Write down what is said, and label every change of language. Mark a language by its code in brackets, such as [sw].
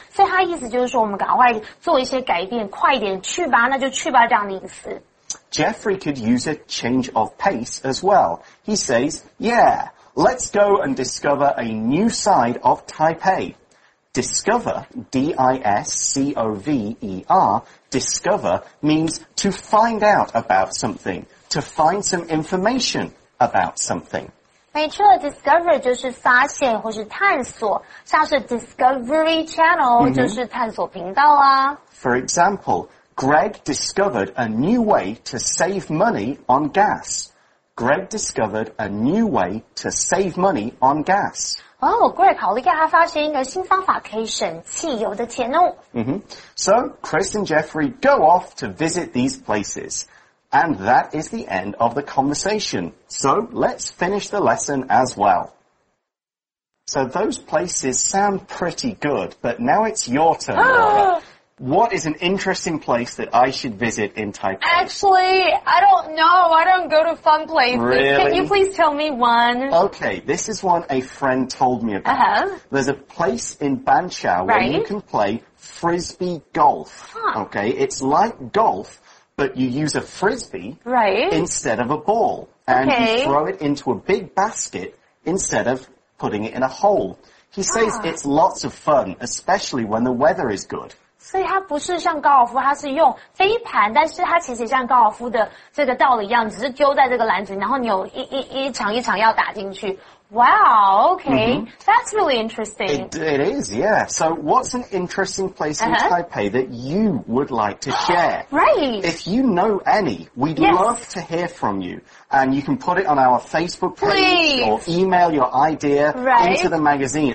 [zh] 所以他意思就是说我们赶快做一些改变快点去吧那就去吧这样的意思。 [en] Jeffrey could use a change of pace as well. He says, yeah, let's go and discover a new side of Taipei. Discover, D-I-S-C-O-V-E-R,Discover means to find out about something, to find some information about something. [zh] 没错 ,discover 就是发现或是探索像是 Discovery Channel 就是探索频道啊。 [en] For example, Greg discovered a new way to save money on gas. Greg discovered a new way to save money on gas. [zh] Greg 好厉害他发现一个新方法可以省汽油的钱哦。 [en] So, Chris and Jeffrey go off to visit these places. And that is the end of the conversation. So, let's finish the lesson as well. So, those places sound pretty good, but now it's your turn, Laura. What is an interesting place that I should visit in Taipei? Actually, I don't know. I don't go to fun places. Really? Can you please tell me one? Okay, this is one a friend told me about. There's a place in Banqiao where you can play frisbee golf. Okay, it's like golf, but you use a frisbee right? instead of a ball. And you throw it into a big basket instead of putting it in a hole. He says it's lots of fun, especially when the weather is good. [zh] 所以它不是像高尔夫它是用飞盘但是它其实像高尔夫的这个道理一样只是丢在这个篮子然后你有一场要打进去。 [en] Wow, okay,、that's really interesting. It is, yeah. So what's an interesting place in Taipei that you would like to share? Right. If you know any, we'd love to hear from you. And you can put it on our Facebook page、or email your idea、into the magazine.